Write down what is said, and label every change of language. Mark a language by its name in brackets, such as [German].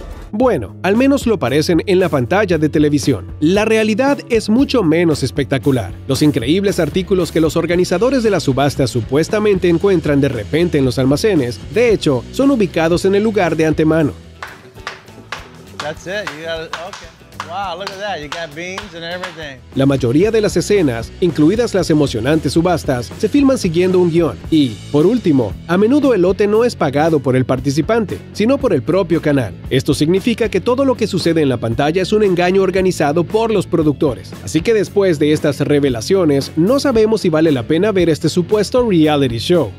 [Spanish] Bueno, al menos lo parecen en la pantalla de televisión. La realidad es mucho menos espectacular. Los increíbles artículos que los organizadores de la subasta supuestamente encuentran de repente en los almacenes, de hecho, son ubicados en el lugar de antemano. [English] That's it. You got it. Okay. Wow, look at that. You got beans and everything. [Spanish] La mayoría de las escenas, incluidas las emocionantes subastas, se filman siguiendo un guión. Y, por último, a menudo el lote no es pagado por el participante, sino por el propio canal. Esto significa que todo lo que sucede en la pantalla es un engaño organizado por los productores. Así que después de estas revelaciones, no sabemos si vale la pena ver este supuesto reality show.